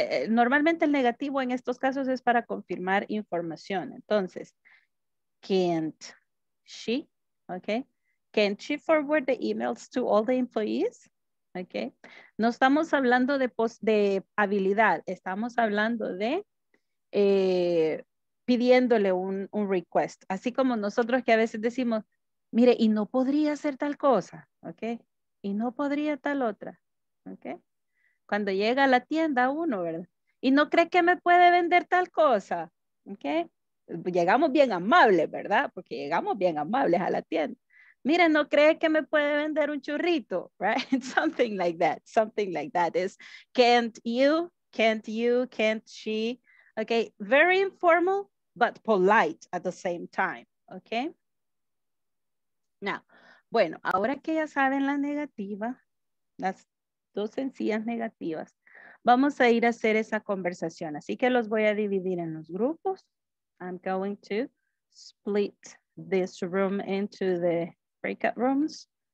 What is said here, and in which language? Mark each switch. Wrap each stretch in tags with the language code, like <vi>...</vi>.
<es>Normalmente el negativo en estos casos es para confirmar información.</es> <en>Entonces, can't she, okay? Can't she forward the emails to all the employees? Okay.</en> <es>No estamos hablando de habilidad, estamos hablando de pidiéndole un request. Así como nosotros que a veces decimos, mire, y no podría hacer tal cosa, ¿ok? Y no podría tal otra, ¿ok? Cuando llega a la tienda uno, ¿verdad? Y no cree que me puede vender tal cosa, ¿ok? Llegamos bien amables, ¿verdad? Porque llegamos bien amables a la tienda. Mire, no cree que me puede vender un churrito, right?</es> <en>Something like that, something like that is, can't you, can't she, okay? Very informal, but polite at the same time, okay?</en> <es>Now, bueno, ahora que ya saben la negativa, las dos sencillas negativas, vamos a ir a hacer esa conversación. Así que los voy a dividir en los grupos.</es> <en>I'm going to split this room into the breakout rooms.</en>